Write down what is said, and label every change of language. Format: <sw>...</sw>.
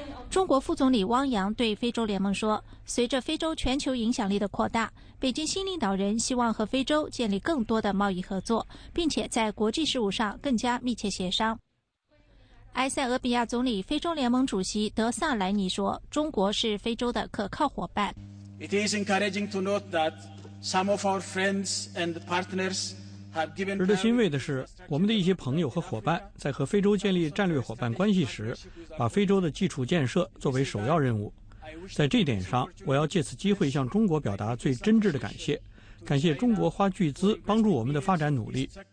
<zh>中国副总理汪洋对非洲联盟说，随着非洲全球影响力的扩大，北京新领导人希望和非洲建立更多的贸易合作，并且在国际事务上更加密切协商。埃塞俄比亚总理、非洲联盟主席德萨莱尼说，中国是非洲的可靠伙伴。</zh> <en>It is encouraging to note that some of our friends and partners have given</en> <zh>值得欣慰的是，我们的一些朋友和伙伴在和非洲建立战略伙伴关系时，把非洲的基础建设作为首要任务。在这点上，我要借此机会向中国表达最真挚的感谢，感谢中国花巨资帮助我们的发展努力。</zh>